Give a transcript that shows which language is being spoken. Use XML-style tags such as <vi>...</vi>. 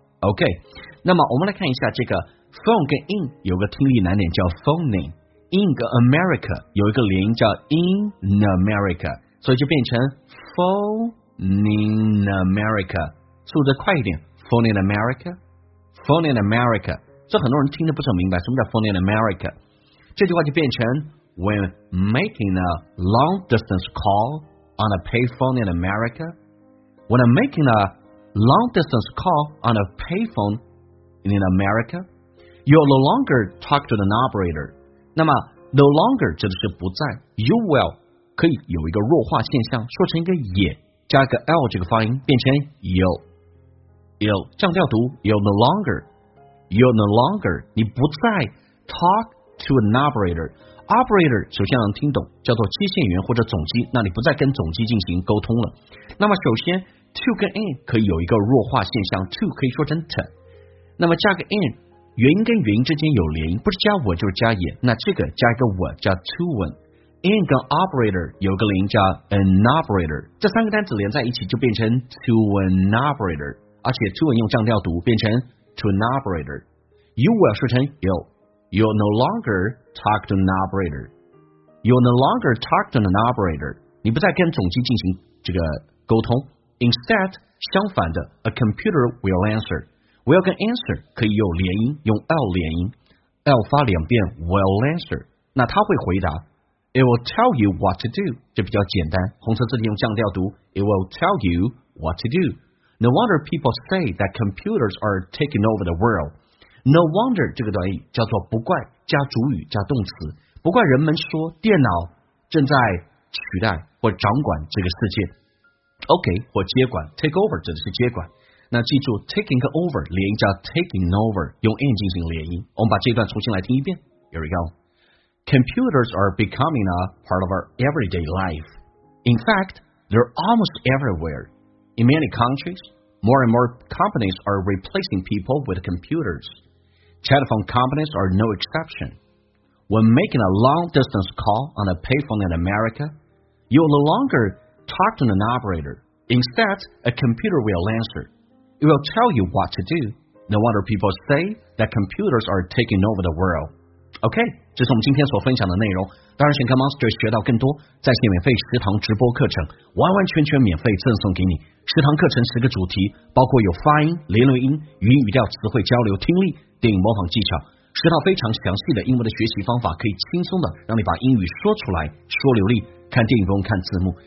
<zh>OK， 那么我们来看一下这个 phone 跟 in 有个听力难点，叫 phoneinIn America 有一个连音，叫 in America， 所以就变成</zh> <en>phone in America，</en> <zh>速度快一点， phone in America， phone in America， 这很多人听得不是很明白什么叫 phone in America。这句话就变成</zh> <en>when making a long distance call on a payphone in America， when I'm making a long distance call on a payphone in America， you'll no longer talk to an operator。</en> <zh>那么 no longer 指的是不在， you will 可以有一个弱化现象，说成一个也加一个 l 这个发音，变成 you'll 降调读，</zh> <en>you'll no longer， you're no longer,</en> <zh>你不再</zh> <en>talk to an operator。</en> <zh>Operator 首先能听懂，叫做接线员或者总机，那你不再跟总机进行沟通了。那么首先 to 跟 in 可以有一个弱化现象， to 可以说成 to， 那么加个 in，元音跟元音之间有连音，不是加我就是加也，那这个加一个我叫 to one。 in 跟 operator 有个连音叫 an operator， 这三个单词连在一起就变成</zh> <en>to an operator，</en> <zh>而且 to one 用降调读变成 to an operator。</zh> <en>you will 说成 you， you'll no longer talk to an operator， you'll no longer talk to an operator，</en> <zh>你不再跟总机进行这个沟通。 instead 相反的</zh> <en>a computer will answerWill</en> <zh>跟 answer 可以有连音，用 L 连音， L 发两遍 will answer， 那他会回答。</zh> <en>It will tell you what to do，</en> <zh>这比较简单，红色字体用降调读，</zh> <en>It will tell you what to do。 No wonder people say that computers are taking over the world。</en> <zh>No wonder 这个短语叫做不怪，加主语加动词，不怪人们说电脑正在取代或掌管这个世界。 OK 或接管， take over 指的是接管。那记住 taking over 连音叫 taking over， 用 in 进行连音。我们把这段重新来听一遍。</zh> <en>Here we go。 Computers are becoming a part of our everyday life. In fact, they're almost everywhere. In many countries, more and more companies are replacing people with computers. Telephone companies are no exception. When making a long distance call on a payphone in America, you'll no longer talk to an operator. Instead, a computer will answerIt will tell you what to do. No wonder people say that computers are taking over the world.</en> <zh>OK， 这是我们今天所分享的内容。当然，想跟 Monster 学到更多，在线免费十堂直播课程，完完全全免费赠送给你。十堂课程十个主题，包括有发音、连读音、语音语调、词汇交流、听力、电影模仿技巧，十套非常详细的英文的学习方法，可以轻松的让你把英语说出来、说流利。看电影不用看字幕。</zh>